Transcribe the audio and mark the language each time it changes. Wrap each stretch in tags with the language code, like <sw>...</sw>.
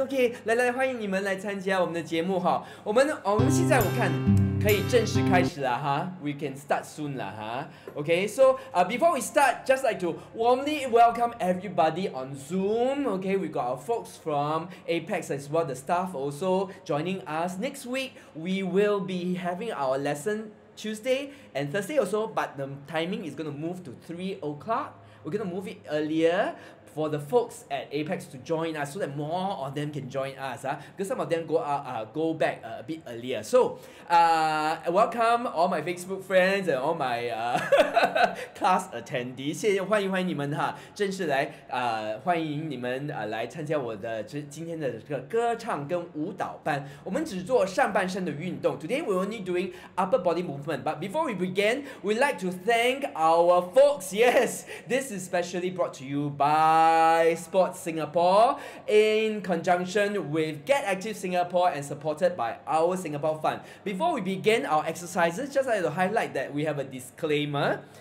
<zh>OK， 来来，欢迎你们来参加我们的节目哈。我们现在我看可以正式开始了哈。</zh> <en>We can start soon 了哈。 OK， so before we start, just like to warmly welcome everybody on Zoom. OK， we got our folks from Apex as well. The staff also joining us. Next week we will be having our lesson Tuesday and Thursday also, but the timing is going to move to 3:00. We're going to move it earlier. For the folks at Apex to join us, so that more of them can join us, because some of them go back a bit earlier. So, welcome all my Facebook friends and all my class attendees.</en> <zh>谢谢，欢迎欢迎你们哈，正式来欢迎你们来参加我的今天的这个歌唱跟舞蹈班。我们只做上半身的运动。</zh> <en>Today we're only doing upper body movement. But before we begin, we'd like to thank our folks. Yes, this is specially brought to you by Sport Singapore in conjunction with Get Active Singapore and supported by Our Singapore Fund. Before we begin our exercises, just like to highlight that we have a disclaimer.</en>